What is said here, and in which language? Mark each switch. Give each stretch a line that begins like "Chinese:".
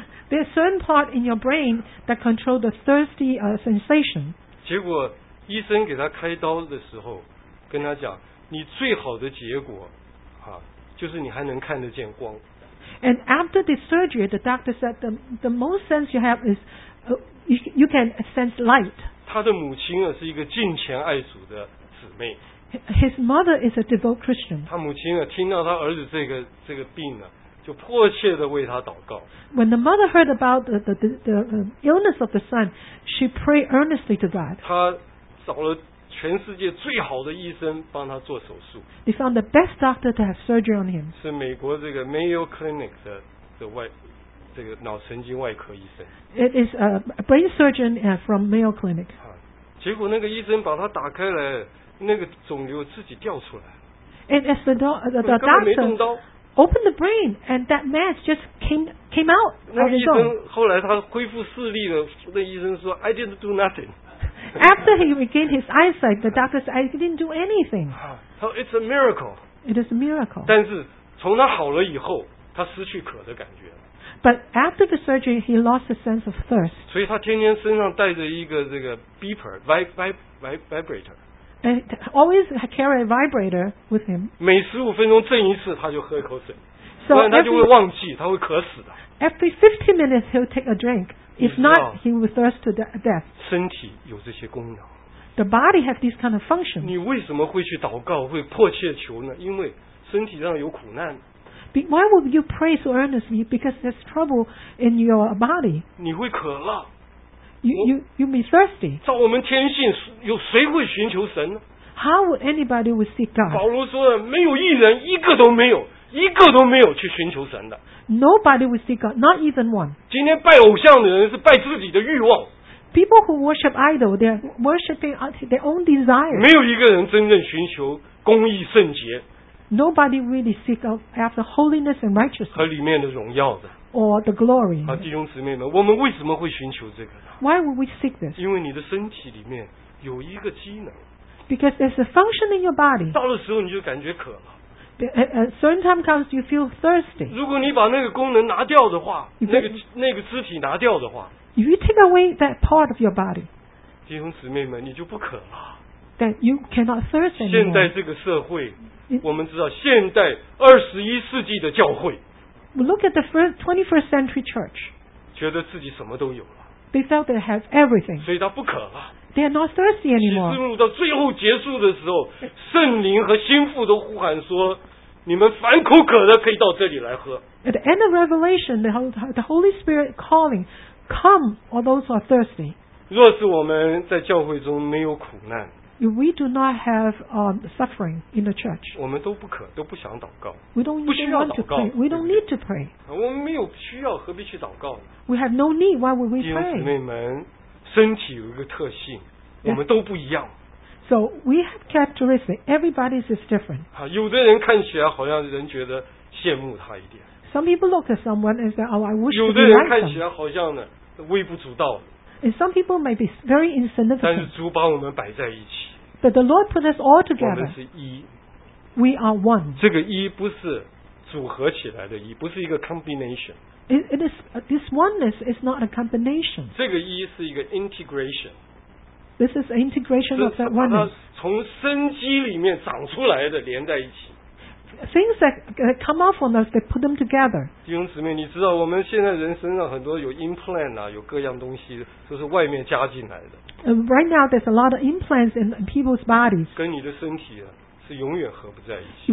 English: There's certain part in your brain that control the thirsty sensation.
Chinese: 结果医生给他开刀的时候，跟他讲。你最好的结果，就是你还能看得见光。
English: And after the surgery, the doctor said the most sense you have is you can sense light.
Chinese: 他的母亲是一个敬虔爱主的姊妹。
English: His mother is a devout Christian.
Chinese: 他母亲听到他儿子这个病就迫切的为他祷告。
English: When the mother heard about the illness of the son, she prayed earnestly to God.
Chinese: 他找了。全世界最好的医生帮他做手术。
English: They found the best doctor to have surgery on him.
Chinese: 是美国这个 Mayo Clinic 的外这个脑神经外科医生。
English: It is a brain surgeon from Mayo Clinic.
Chinese: 结果那个医生把他打开来，那个肿瘤自己掉出来。
English: And as the doctor opened the brain, and that mass just came out.
Chinese: 那医生后来他恢复视力了，那医生说
English: I didn't do nothing. After he regained his eyesight, the doctor said, "I didn't do anything." So it's a miracle. It is a miracle.
Chinese: 但是从他好了以后，他失去渴的感觉。
English: But after the surgery, he lost the sense of thirst.
Chinese: 所以他天天身上带着一个这个 beeper, vibrator.
English: And always carry a vibrator with him.
Chinese: 每十五分钟震一次，他就喝一口水，不然他就会忘记，他会渴死的。
English: Every 15 minutes, he'll take a drink. If not, he will thirst to death.
Chinese: 身体有这些功能。
English: The body has these kind of functions.
Chinese: 你为什么会去祷告，会迫切求呢？因为身体上有苦难。
English: Why would you pray so earnestly? Because there's trouble in your body.
Chinese: 你会渴了。
English: You may thirsty.
Chinese: 照我们天性，有谁会寻求神呢？
English: How would anybody would seek God?
Chinese: 保罗说，没有一人，一个都没有去寻求神的。
English: Nobody will seek God, not even one.
Chinese: 今天拜偶像的人是拜自己的欲望。
English: People who worship idol, they're worshiping their own desire.
Chinese: 没有一个人真正寻求公义圣洁。
English: Nobody really seek after holiness and righteousness.
Chinese: 和里面的荣耀的。
English: Or the glory.
Chinese: 弟兄姊妹们，我们为什么会寻求这个呢？
English: Why would we seek this?
Chinese: 因为你的身体里面有一个机能。
English: Because there's a function in your body.
Chinese: 到的时候你就感觉渴了。
English: A certain time comes, you feel thirsty.
Chinese: 如果你把那个功能拿掉的话，那个肢体拿掉的话
English: ，If you take away that part of your body,
Chinese: 弟兄姊妹们，你就不渴了。
English: that you cannot thirst anymore.
Chinese: 现在这个社会，我们知道现代二十一世纪的教会。
English: Look at the first 21st century church.
Chinese: 觉得自己什么都有了。
English: They felt they have everything.
Chinese: 所以他不渴了。
English: They are not thirsty anymore.
Chinese: 启示录到最后结束的时候，圣灵和心腹都呼喊说。你们凡口渴的可以到这里来喝。
English: At the end of Revelation, the Holy Spirit calling, "Come, all those who are thirsty."
Chinese: 若是我们在教会中没有苦难
English: ，If we do not have suffering in the church,
Chinese: 我们都不渴，都不想祷告。
English: We don't even want to pray. We don't need to pray.
Chinese: 我们没有需要，何必去祷告呢
English: ？We have no need. Why would we pray?
Chinese: 弟兄姊妹们，身体有一个特性，我们都不一样。
English: So we have characteristics. Everybody is different.
Chinese: 有的人看起来好像人觉得羡慕他一点。
English: Some people look at someone and say, "Oh, I wish to be like them."
Chinese: 有的人看起来好像呢微不足道。
English: And some people may be very insignificant.
Chinese: 但是主把我们摆在一起。
English: But the Lord put us all together.
Chinese: 我们是一。
English: We are one.
Chinese: 这个一不是组合起来的一，不是一个 combination.
English: It is this oneness is not a combination.
Chinese: 这个一是一个 integration.
English: This is integration of that oneness.
Chinese: 它从生机里面长出来的连在一起。
English: Things that come out from us, they put them together.
Chinese: 弟兄姊妹，你知道我们现在人身上很多有 implant 啊，有各样东西，都是外面加进来的。
English: Right now, there's a lot of implants in people's bodies.
Chinese: 跟你的身体啊，是永远合不在一起。